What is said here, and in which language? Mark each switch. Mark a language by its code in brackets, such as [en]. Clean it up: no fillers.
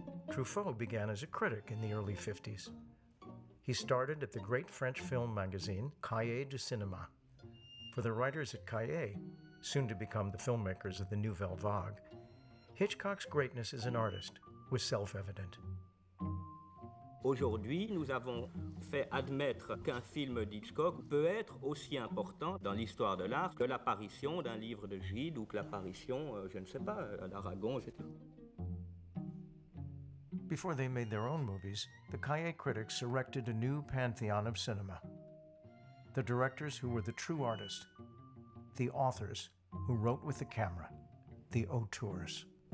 [en] Truffaut began as a critic in the early 50s. He started at the great French film magazine, Cahiers du Cinéma. For the writers at Cahiers, soon to become the filmmakers of the Nouvelle Vague, Hitchcock's greatness as an artist was self-evident. [fr] Aujourd'hui, nous avons fait admettre qu'un film d'Hitchcock peut être aussi important dans l'histoire de l'art que l'apparition d'un livre de Gide ou que l'apparition, je ne sais pas, d'Aragon, etc. [en] Before they made their own movies, the Cahiers critics erected a new pantheon of cinema. The directors who were the true artists, the authors who wrote with the camera, the auteurs.